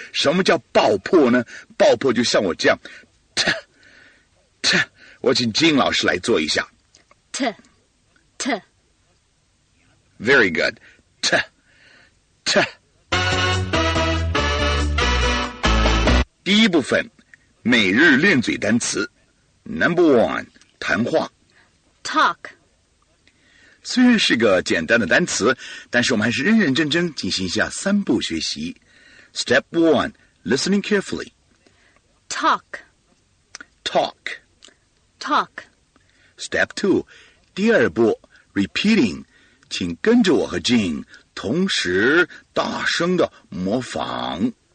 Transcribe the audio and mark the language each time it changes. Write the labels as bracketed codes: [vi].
[zh] 什么叫爆破呢？爆破就像我这样 ，ta ta。我请金老师来做一下，ta ta。 [en] Very good， ta ta。 [zh] 第一部分，每日练嘴单词。 [en] Number one， 谈话。 Talk。 [zh] 虽然是个简单的单词，但是我们还是认认真真进行一下三步学习。 [en] Step one， listening carefully。 Talk。 Talk。 Talk。 Step two， [zh] 第二步 ，repeating， 请跟着我和 Jean 同时大声的模仿。